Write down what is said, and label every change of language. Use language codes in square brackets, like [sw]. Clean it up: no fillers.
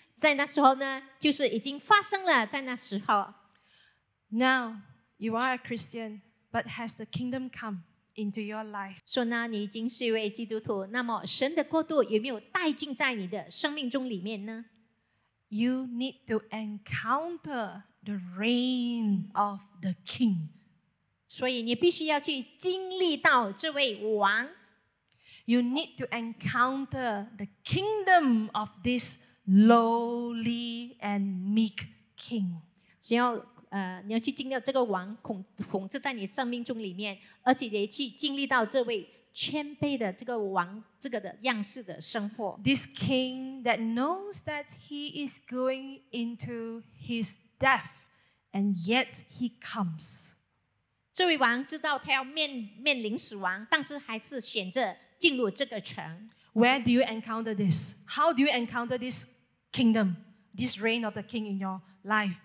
[zh] 在那时候呢，就是已经发生了。在那时候， [en] Now you are a Christian, but has the kingdom come into your life? [zh] 说呢，你已经是一位基督徒，那么神的国度有没有带进在你的生命中里面呢？ [en] You need to encounter the reign of the king. [zh] 所以你必须要去经历到这位王。 [en] You need to encounter the kingdom of this lowly and meek king. [zh] 你要去经历到这个王统治在你生命中里面，而且也去经历到这位谦卑的这个王这个的样式的生活。 [en] This king that knows that he is going into his death, and yet he comes. [zh] 这位王知道他要面临死亡，但是还是选择进入这个城。 [en] Where do you encounter this? How do you encounter this kingdom, this reign of the king in your life?